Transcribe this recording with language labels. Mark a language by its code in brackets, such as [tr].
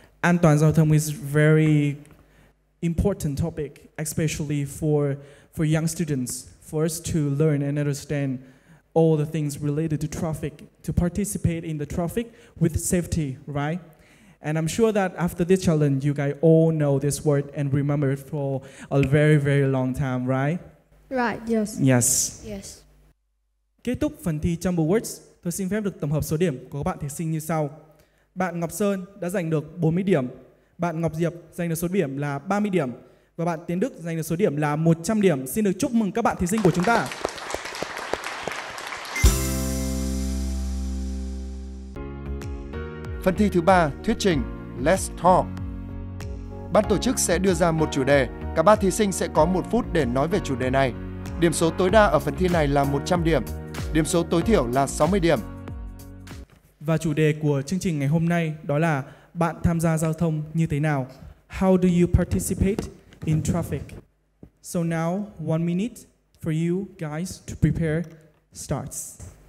[vi] An toàn giao thông [en] is very important topic, especially for young students, for us to learn and understand all the things related to traffic, to participate in the traffic with safety, right? And I'm sure that after this challenge, you guys all know this word and remember it for a very, very long time, right? Right, yes. Yes. Yes. [vi] Kết thúc phần thi Jumble Words, tôi xin phép được tổng hợp số điểm của các bạn thí sinh như sau. Bạn Ngọc Sơn đã giành được 40 điểm, bạn Ngọc Diệp giành được số điểm là 30 điểm và bạn Tiến Đức giành được số điểm là 100 điểm. Xin được chúc mừng các bạn thí sinh của chúng ta. Phần thi thứ 3, thuyết trình, Let's Talk. Ban tổ chức sẽ đưa ra một chủ đề, cả ba thí sinh sẽ có 1 phút để nói về chủ đề này. Điểm số tối đa ở phần thi này là 100 điểm, điểm số tối thiểu là 60 điểm. Và chủ đề của chương trình ngày hôm nay đó là bạn tham gia giao thông như thế nào? [en] How do you participate in traffic? So now, 1 minute for you guys to prepare starts.